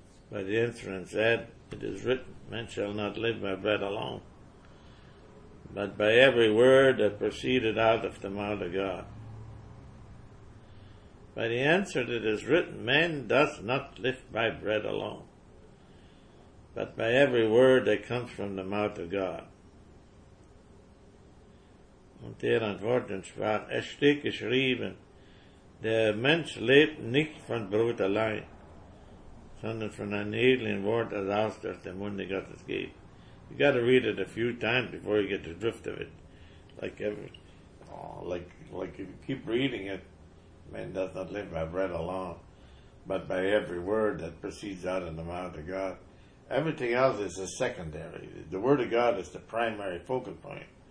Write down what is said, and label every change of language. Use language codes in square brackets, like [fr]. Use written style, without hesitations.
[en] "But the answering said, it is written, man shall not live by bread alone, but by every word that proceeded out of the mouth of God. But he answered, it is written, man does not live by bread alone, but by every word that comes from the mouth of God. [de] Und er antwortete und sprach, es steht geschrieben, der Mensch lebt nicht von Brot allein, sondern von einem edlen Wort, das aus dem Munde Gottes geht." [en] You got to read it a few times before you get the drift of it. Like if you keep reading it, man does not live by bread alone, but by every word that proceeds out of the mouth of God. Everything else is a secondary. The Word of God is the primary focal point.